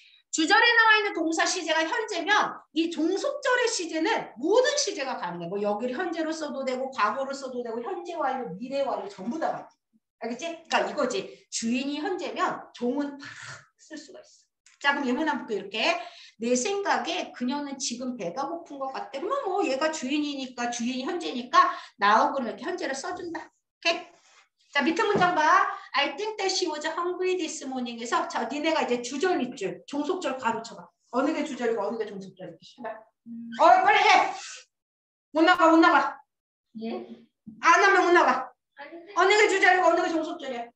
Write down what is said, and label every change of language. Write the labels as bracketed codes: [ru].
[ko] 주절에 나와 있는 동사 시제가 현재면 이 종속절의 시제는 모든 시제가 가능해. 뭐 여기를 현재로 써도 되고 과거로 써도 되고 현재 완료, 미래 완료 전부 다 가능해. 알겠지? 그러니까 이거지. 주인이 현재면 종은 팍 쓸 수가 있어. 자, 그럼 예문 한번 볼게요. 이렇게. 내 생각에 그녀는 지금 배가 고픈 것 같아. 그러면 뭐 얘가 주인이니까 주인이 현재니까 나오고 이렇게 현재를 써준다. 오케이? 자, 밑에 문장 봐. [en] I think that she was hungry this morning. [ko] 에서 자, 니네가 이제 주절 밑줄 종속절 가로쳐봐. 어느 게 주절이고 어느 게 종속절이고. 빨리 해. 못 나가 못 나가. 예? 안 하면 못 나가. 어느 게 주절이고 어느 게 종속절이야.